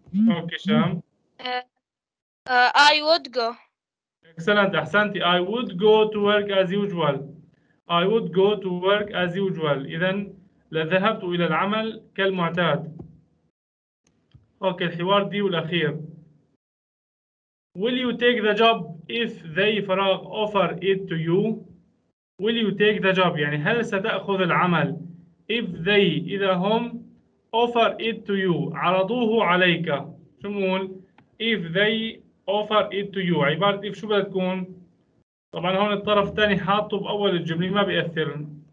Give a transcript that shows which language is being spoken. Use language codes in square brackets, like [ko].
[ar] اوكي شام. [en] I would go. Excellent أحسنتي. I would go to work as usual. I would go to work as usual. [ar] إذا لذهبت إلى العمل كالمعتاد. أوكي الحوار دي والأخير. [en] Will you take the job if they فراغ offer it to you? Will you take the job؟ [ar] يعني هل ستأخذ العمل [en] if they إذا هم offer it to you [ar] عرضوه عليك. شو مول [en] if they offer it to you [ar] عبارة if شو بدها تكون؟ طبعا هون الطرف الثاني حاطه بأول الجملة ما بيأثر.